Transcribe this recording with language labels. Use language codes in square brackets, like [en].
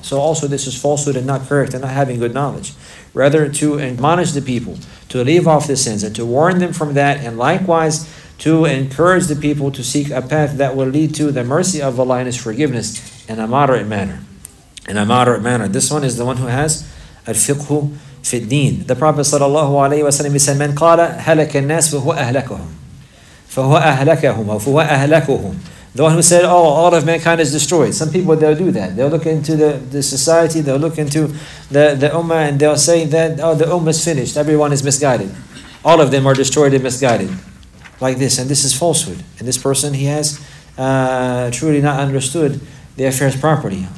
[en] So also this is falsehood and not correct and not having good knowledge. Rather, to admonish the people to leave off the sins and to warn them from that, and likewise to encourage the people to seek a path that will lead to the mercy of Allah and His forgiveness in a moderate manner. This one is the one who has al-fiqhu fi al-deen. The Prophet sallallahu alayhi wa sallam said, [ar] من قال هلك الناس فهو أهلكهم فهو أهلكهم أو فهو أهلكهم. [en] The one who said, oh, all of mankind is destroyed. Some people, they'll do that. They'll look into the society, they'll look into the ummah, and they'll say that, oh, the ummah is finished. Everyone is misguided. All of them are destroyed and misguided. Like this. And this is falsehood. And this person, he has truly not understood the affairs properly.